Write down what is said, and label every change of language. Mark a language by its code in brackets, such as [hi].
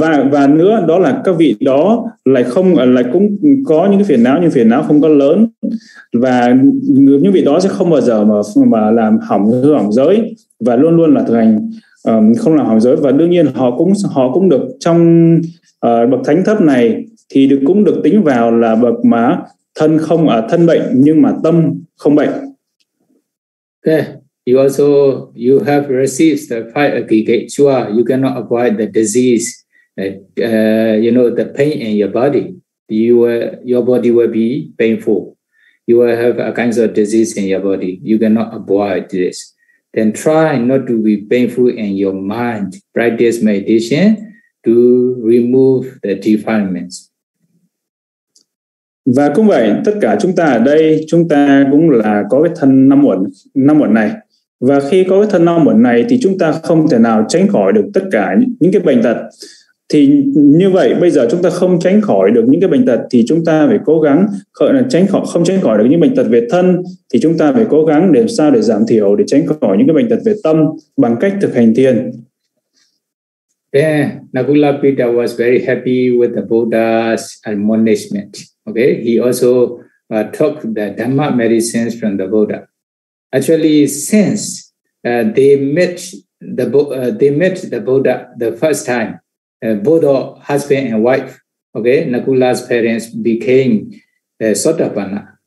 [vi] và nữa đó là các vị đó lại không lại cũng có những cái phiền não nhưng phiền não không có lớn và những vị đó sẽ không bao giờ mà làm hỏng giới và luôn luôn là thực hành không làm hỏng giới và đương nhiên họ cũng được trong bậc thánh thấp này thì được cũng được tính vào là bậc mà thân không ở thân bệnh nhưng mà tâm không bệnh. [en] Okay. You have received the five aggregates. Sure, you cannot avoid the disease, the pain in your body. Your body will be painful. You will have a kind of disease in your body. You cannot avoid this. Then try not to be painful in your mind. Practice meditation to remove the defilements. [vi] Và cũng vậy, tất cả chúng ta ở đây, chúng ta cũng là có cái thân năm uẩn này. Và khi có cái thân năm uẩn này thì chúng ta không thể nào tránh khỏi được tất cả những cái bệnh tật. Thì như vậy, bây giờ chúng ta không tránh khỏi được những cái bệnh tật thì chúng ta phải cố gắng không tránh khỏi được những bệnh tật về thân thì chúng ta phải cố gắng để làm sao để giảm thiểu, để tránh khỏi những cái bệnh tật về tâm bằng cách thực hành thiền. [en] Then Nakula Pita was very happy with the Buddha's admonishment. Okay, he also took the Dhamma medicines from the Buddha. Actually, since they met the Buddha the first time, Buddha, husband and wife, okay, Nakula's parents became Sotapanna.